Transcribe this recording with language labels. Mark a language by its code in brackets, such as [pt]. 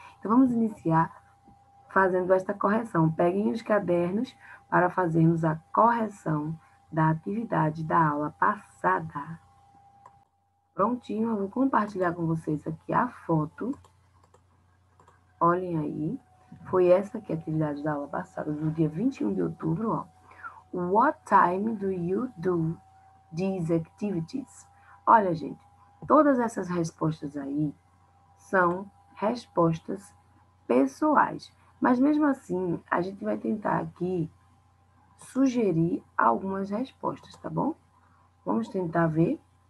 [pt] Então vamos iniciar fazendo esta correção. Peguem os cadernos para fazermos a correção da atividade da aula passada. Prontinho, eu vou compartilhar com vocês aqui a foto. Olhem aí. Foi essa aqui a atividade da aula passada, no dia 21 de outubro, ó. [en] What time do you do these activities? [pt] Olha, gente, todas essas respostas aí são respostas pessoais. Mas mesmo assim, a gente vai tentar aqui sugerir algumas respostas, tá bom? Vamos tentar ver.